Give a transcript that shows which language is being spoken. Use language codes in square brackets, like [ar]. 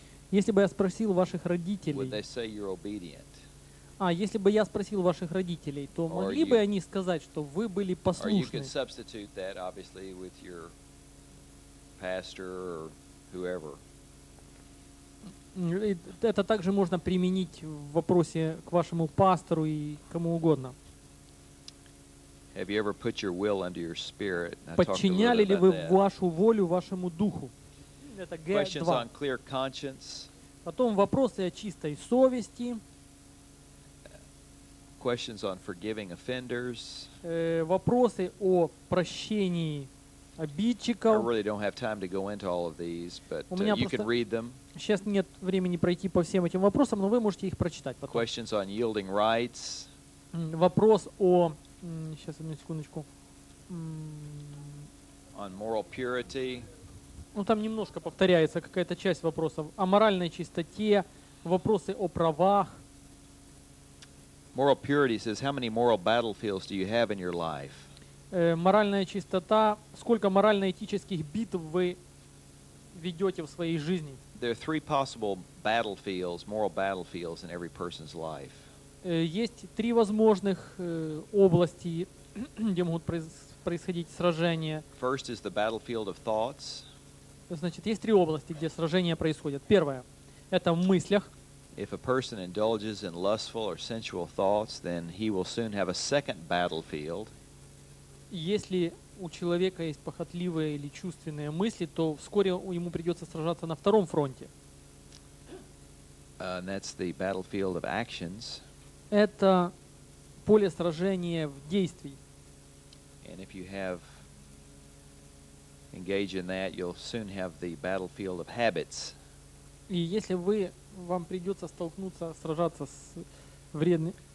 [ru] если бы я спросил ваших родителей, [en] would they say you're obedient? [ru] А если бы я спросил ваших родителей, то могли бы они сказать, что вы были послушны? [en] Or you can substitute that, obviously, with your pastor or whoever. [ru] Это также можно применить в вопросе к вашему пастору и кому угодно. [en] Have you ever put your will under your spirit? [ru] Подчиняли ли вы вашу волю вашему духу? Это Г2. [en] Questions on clear conscience. [ru] Потом вопросы о чистой совести. [en] Questions on forgiving offenders. [ru] Вопросы о прощении обидчиков. [en] I really don't have time to go into all of these, but you can read them. [ru] Сейчас нет времени пройти по всем этим вопросам, но вы можете их прочитать потом. [en] Questions on yielding rights. [ru] Вопрос о... Сейчас, одну секундочку. [en] On moral purity. [ru] Ну, там немножко повторяется какая-то часть вопросов. О моральной чистоте, вопросы о правах. [en] Moral purity says, how many moral battlefields do you have in your life? [ru] Моральная чистота, сколько морально-этических битв вы ведете в своей жизни? [en] There are three possible battlefields, moral battlefields in every person's life. [ru] Есть три возможных области, где могут происходить сражения. [en] First is the battlefield of thoughts. [ru] Значит, есть три области, где сражения происходят. Первое — это в мыслях. [en] If a person indulges in lustful or sensual thoughts, then he will soon have a second battlefield. [ru] Если у человека есть похотливые или чувственные мысли, то вскоре ему придется сражаться на втором фронте. [en] And that's the battlefield of actions. [ru] Это поле сражения в действии. [en] And if you have engaged in that, you'll soon have the battlefield of habits. [ru] И если вы, вам придется столкнуться, сражаться с вредными...